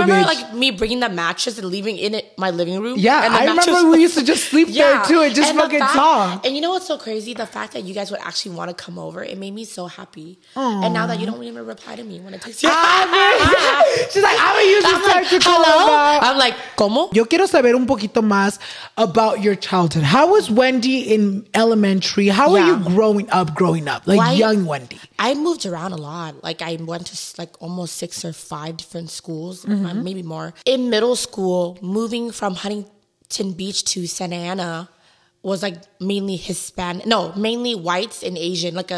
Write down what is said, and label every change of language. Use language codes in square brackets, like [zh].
[en] Do you remember, bitch, like, me bringing the mattress and leaving in it my living room? Yeah, and I remember we used to just sleep yeah. there, too, and just and fucking talk. And you know what's so crazy? The fact that you guys would actually want to come over, it made me so happy. Aww. And now that you don't even reply to me when I text you. She's like, I'm going to use this time to call over. I'm like, [es] ¿cómo? Yo quiero saber un poquito más [en] about your childhood. How was Wendy in elementary? How were you growing up? Like, young Wendy? I moved around a lot. Like, I went to, like, almost 6 or 5 different schools, mm-hmm. maybe more. In middle school, moving from Huntington Beach to Santa Ana was like mainly whites and Asian.